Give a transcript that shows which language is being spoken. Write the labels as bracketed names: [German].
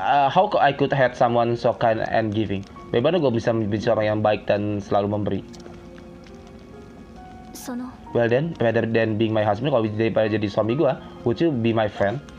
[English] How could I hate someone so kind and giving? [Indonesian] Bagaimana gue bisa menjadi orang yang baik dan selalu memberi? [English] Well then, rather than being my husband, [Indonesian] kalau daripada jadi suami gue, [English] would you be my friend?